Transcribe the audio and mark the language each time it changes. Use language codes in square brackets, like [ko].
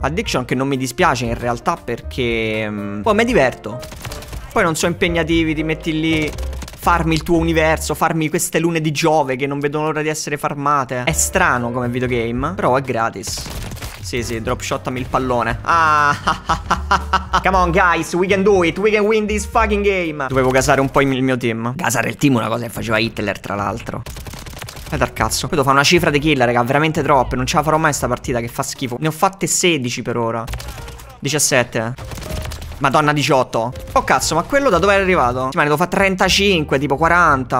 [it] Addiction che non mi dispiace in realtà, perché poi mi diverto. Poi non sono impegnativi, ti metti lì, farmi il tuo universo, farmi queste lune di Giove che non vedono l'ora di essere farmate. È strano come videogame, però è gratis. Sì, dropshottami il pallone. [en] Ah, come on guys, we can do it, we can win this fucking game. [it] Dovevo gasare un po' il mio team. Gasare il team è una cosa che faceva Hitler, tra l'altro. E dal cazzo. Vedo, fa una cifra di kill, raga, veramente troppe. Non ce la farò mai sta partita, che fa schifo. Ne ho fatte 16 per ora. 17. Madonna, 18. Oh cazzo, ma quello da dove è arrivato? Sì, ma ne devo fare 35, tipo 40.